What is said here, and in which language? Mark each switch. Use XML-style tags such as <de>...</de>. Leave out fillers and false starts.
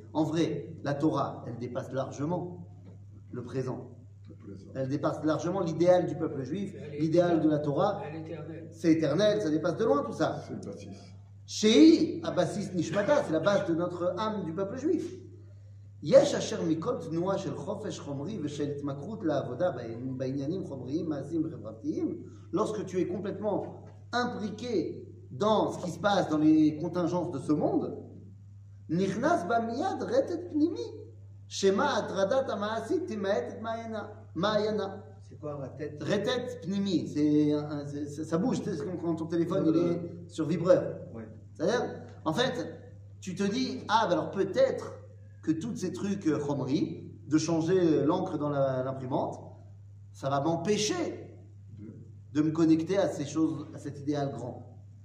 <fr>En vrai, la Torah, elle dépasse largement le présent. Elle dépasse largement l'idéal du peuple juif, l'idéal de la Torah. C'est éternel, ça dépasse de loin tout ça. C'est le basis. Shei Abassis Nishmata, c'est la base de notre âme du peuple juif.</fr> <he>יש אשר מכל תנועה של חופש חומרי ושל התמכרות לעבודה בעניינים חומריים, מעשיים וחברתיים,</he> <fr>lorsque tu es complètement impliqué dans ce qui se passe dans les contingences de ce monde,</fr> <he>נכנס בה מיד רטט פנימי, שמה הטרדת המעשית תמעט את מעיינה. רטט פנימי,</he> <fr>ça bouge, c'est comme quand ton téléphone il est sur vibreur. C'est-à-dire, en fait, tu te dis, ah, alors peut-être que tous ces trucs chomri, de changer l'encre dans l'imprimante, ça va m'empêcher de me connecter à ces choses, à cet idéal grand.</fr>